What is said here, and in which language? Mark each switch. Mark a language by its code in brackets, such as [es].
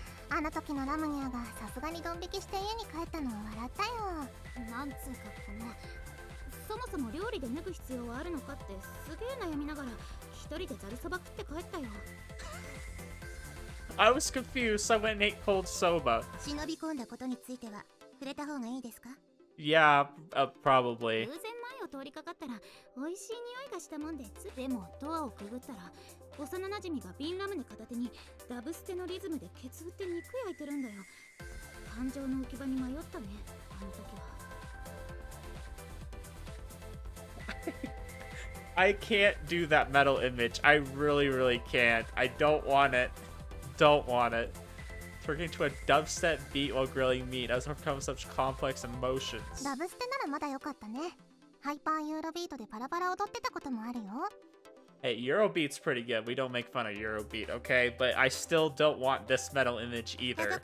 [ja] あの時のラムニアがさすがにドン引きして家に帰ったのを笑ったよ。なんつうかってね、そもそも料理で脱ぐ必要はあるのかってすげえ悩みながら一人でザルそば食って帰ったよ。 [en] I was confused. I went and ate cold soba. [ja] 忍び込んだことについては触れた方がいいですか？ [en] Yeah, probably. [ja] 偶然前を通りかかったら美味しい匂いがしたもんで、でもドアをくぐったら幼なじみがビンラムネ片手にダブステのリズムでケツ打って肉焼いてるんだよ。感情の浮き場に迷ったね、あの時は。 [en] I can't do that metal image. I really, really can't. I don't want it. Don't want it. Turning to a dubstep beat while grilling meat has overcome such complex emotions. [ja] ダブステならまだ良かったね。ハイパーユーロビートでパラパラ踊ってたこともあるよ。 [en] Hey, Eurobeat's pretty good. We don't make fun of Eurobeat, okay? But I still don't want this metal image either.